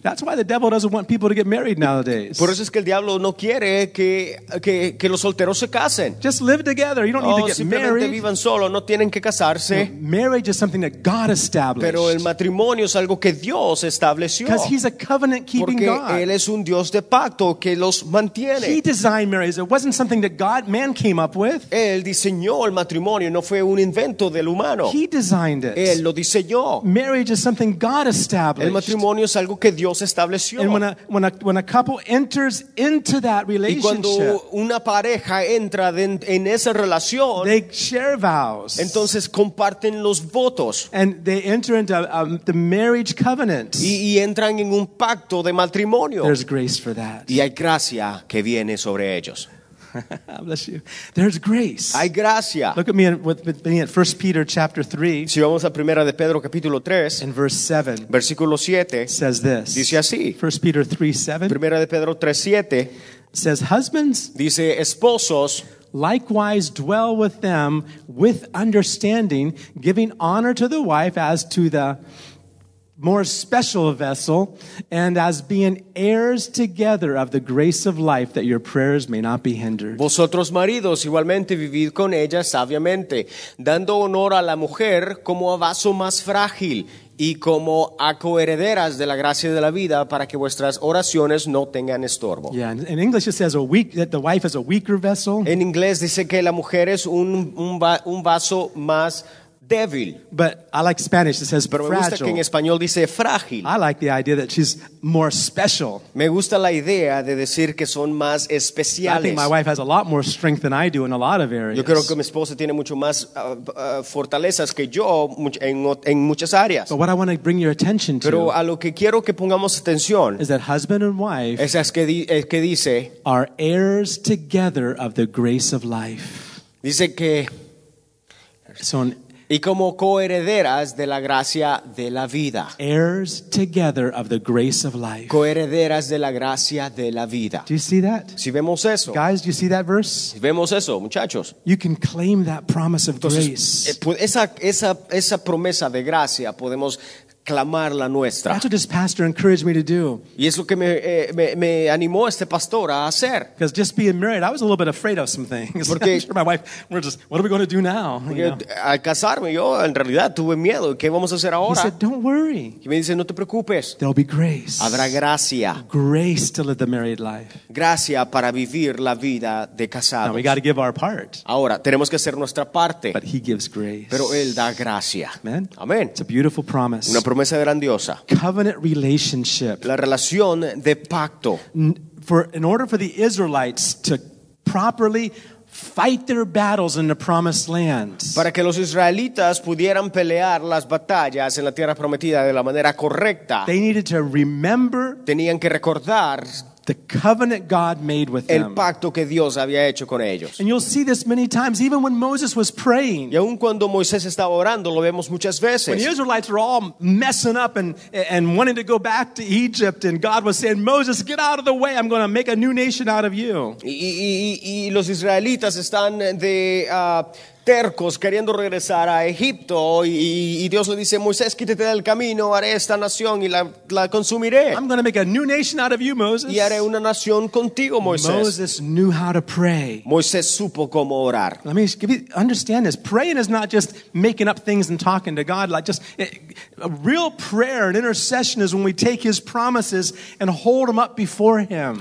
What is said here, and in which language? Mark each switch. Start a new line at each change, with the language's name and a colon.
English: That's why the devil doesn't want people to get married nowadays.
Spanish: Por eso es que el diablo no quiere que los solteros se casen.
English: Just live together. You don't need to get married.
Spanish: Vivan solo, no tienen que casarse.
English: No, marriage is something that God established.
Spanish: Pero el matrimonio es algo que Dios estableció.
English: Because he's a covenant-keeping
Spanish: porque
English: God.
Spanish: Él es un Dios de pacto que los mantiene.
English: He designed marriage. It wasn't something that God, man came up with.
Spanish: Él diseñó el matrimonio, no fue un invento del humano.
English: He designed it.
Spanish: Él lo diseñó.
English: Marriage is something God established.
Spanish: El matrimonio es algo que Dios estableció.
English: And when a couple enters into that relationship,
Spanish: y cuando una pareja entra en esa relación,
English: they share vows.
Spanish: Entonces comparten los votos.
English: And they enter into the marriage covenant.
Spanish: Y entran en un pacto de matrimonio.
English: There's grace for that.
Spanish: Y hay gracia que viene sobre ellos.
English: Bless you. There's grace.
Spanish: Hay gracia.
English: Look at me with me at 1 Peter chapter 3.
Spanish: Si vamos a Primera de Pedro capítulo 3.
English: In verse 7.
Spanish: Versículo 7.
English: Says this.
Spanish: Dice así.
English: 1 Peter 3, 7.
Spanish: Primera de Pedro 3, 7.
English: Says husbands.
Spanish: Dice esposos.
English: Likewise dwell with them with understanding, giving honor to the wife as to the more special vessel, and as being heirs together of the grace of life, that your prayers may not be hindered.
Spanish: Vosotros maridos igualmente vivid con ella sabiamente, dando honor a la mujer como a vaso más frágil y como a coherederas de la gracia de la vida, para que vuestras oraciones no tengan estorbo.
English: Yeah, in English it says a weak, that the wife is a weaker vessel.
Spanish: En inglés dice que la mujer es un vaso más débil.
English: But I like Spanish. It says
Spanish: pero
English: fragile.
Spanish: Me gusta que en español dice frágil.
English: I like the idea that she's more special.
Spanish: Me gusta la idea de decir que son más especiales.
English: I think my wife has a lot more strength than I do in a lot of areas.
Spanish: Yo creo que mi esposa tiene mucho más fortalezas que yo en muchas áreas.
English: But what I want to bring your attention to,
Spanish: pero a lo que quiero que pongamos atención,
English: is that husband and wife
Spanish: es que dice,
English: are heirs together of the grace of life.
Spanish: Dice que son y como coherederas de la gracia de la vida.
English: Heirs together of the grace of life.
Spanish: Coherederas de la gracia de la vida.
English: Do you see that?
Spanish: Si vemos eso.
English: Guys, do you see that verse?
Spanish: Si vemos eso, muchachos.
English: You can claim that promise of
Spanish: entonces,
English: grace.
Spanish: Esa promesa de gracia podemos clamar la nuestra.
English: That's what this pastor encouraged me to do.
Spanish: Y es lo que me animó este pastor a hacer.
English: Because just being married, I was a little bit afraid of some things.
Spanish: Porque
English: I'm sure my wife, we're just, what are we going to do now? You know?
Spanish: Al casarme, yo en realidad tuve miedo. ¿Qué vamos a hacer ahora?
English: He said, don't worry.
Spanish: Y me dice, no te preocupes.
English: There'll be grace.
Spanish: Habrá gracia.
English: Grace to live the married life.
Spanish: Gracia para vivir la vida de casados.
English: Now we got to give our part.
Spanish: Ahora tenemos que hacer nuestra parte.
English: But he gives grace.
Spanish: Pero él da gracia.
English: Amen.
Spanish: Amen.
English: It's a beautiful promise.
Spanish: Una promesa grandiosa.
English: Covenant relationship.
Spanish: La relación de pacto.
English: In order for the Israelites to properly fight their battles in the promised land.
Spanish: Para que los israelitas pudieran pelear las batallas en la tierra prometida de la manera correcta.
English: They needed to remember.
Spanish: Tenían que recordar.
English: The covenant God made with them.
Spanish: El pacto que Dios había hecho con ellos.
English: And you'll see this many times, even when Moses was praying.
Spanish: Y aun cuando Moisés estaba orando, lo vemos muchas veces.
English: When the Israelites were all messing up and wanting to go back to Egypt, and God was saying, Moses, get out of the way, I'm going to make a new nation out of you.
Spanish: Y los israelitas están de tercos, queriendo regresar a Egipto, y Dios le dice, Moisés, quítate del camino, haré esta nación y la consumiré.
English: I'm going to make a new nation out of you, Moses.
Spanish: Y haré una nación contigo, Moisés.
English: Moses knew how to pray.
Spanish: Moisés supo cómo orar.
English: Let me give you, understand this. Praying is not just making up things and talking to God. Like just a real prayer and intercession is when we take his promises and hold them up before him.